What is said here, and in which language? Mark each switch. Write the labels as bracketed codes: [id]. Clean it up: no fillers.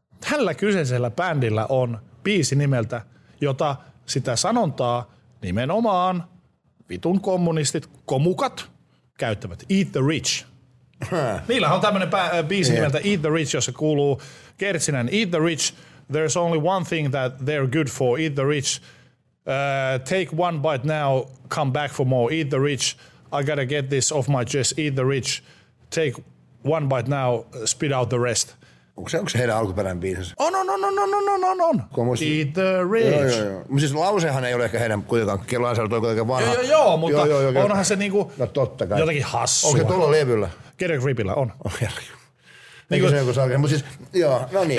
[fi] Tällä kyseisellä bändillä on biisi nimeltä, jota sitä sanontaa nimenomaan vitun kommunistit, komukat, käyttävät. [en] Eat the rich. [fi] Niillä on tämmöinen biisi nimeltä Eat the Rich, jossa kuuluu Kertsinen. [en] Eat the rich, there's only one thing that they're good for. Eat the rich, take one bite now, come back for more. Eat the rich, I gotta get this off my chest. Eat the rich, take one bite now, spit out the rest. [fi] Onko se heidän alkuperäinen biisinsä? On. Komusti. [en] Eat the rich. [fi] Mutta siis lausehan ei ole ehkä heidän kuitenkaan kellonsäädöt, onko jotenkin vanha. Joo, mutta onhan se niinku no, totta kai jotenkin hassua. Onko se tuolla levyllä? Get a Gripillä on. Niin se joku saakka, mutta siis joo, no niin.